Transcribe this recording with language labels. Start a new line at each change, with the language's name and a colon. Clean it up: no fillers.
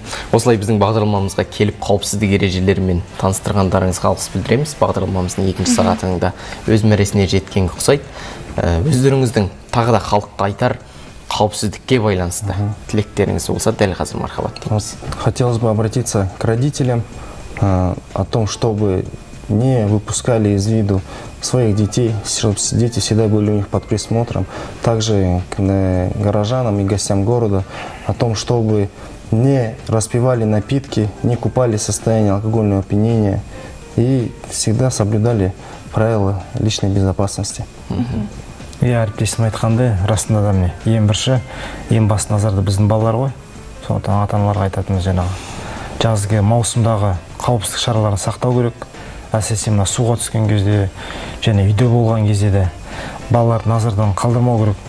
Kazakh: Осылай біздің бағдарламамызға келіп, қауіпсіздік ережелерімен таныстырғандарыңызға алғыс білдіреміз. Бағдарламамыздың екінші сағатында өз мәресіне жеткен ұқсайды. Өздеріңіздің тағы да халыққа айтар қауіпсіздікке байланысты тілектеріңіз болса, дәл қазір мархабат.
Russian: Хотелось бы обратиться к родителям о том, чтобы не выпускали из виду своих детей, чтобы дети всегда были у них под присмотром. Также к горожанам и гостям города о том, чтобы не распивали напитки, не купали состояние алкогольного опьянения и всегда соблюдали правила личной безопасности.
Kazakh: Я әріптесім айтқанды, расында да мен ең бірші, ең басты назарды біздің балалар ғой. Сондықтан ата-аналарға айтатынымыз жаңағы жазғы маусымдағы қауіпсіздік шараларын сақтау керек. Әсіресе мына суға түскен кезде және үйде болған кезде де балаларды назардан қалдырмау керек.